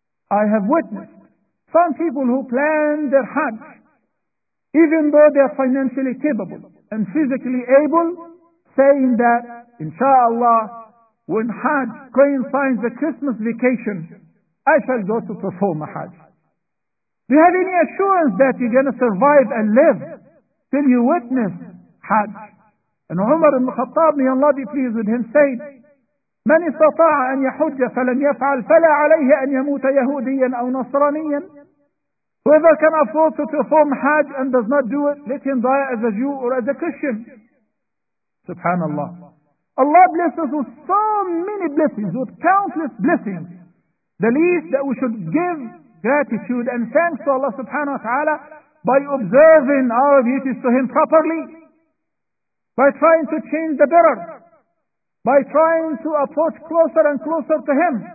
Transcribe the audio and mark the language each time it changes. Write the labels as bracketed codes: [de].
[en] I have witnessed some people who plan their Hajj, even though they are financially capable and physically able, saying that, inshallah, when Hajj coincides the Christmas vacation, I shall go to perform a Hajj. Do you have any assurance that you're going to survive and live till you witness Hajj? And Umar ibn Khattab, may Allah be pleased with him, said, [ar] من استطاع أن يحج فلم يفعل فلا عليه أن يموت يهوديا أو نصرانيا. [en] Whoever can afford to perform Hajj and does not do it, let him die as a Jew or as a Christian. SubhanAllah. Allah blesses with so many blessings, with countless blessings. The least that we should give gratitude and thanks to Allah subhanahu wa ta'ala by observing our duties to Him properly, by trying to change the better, by trying to approach closer and closer to Him.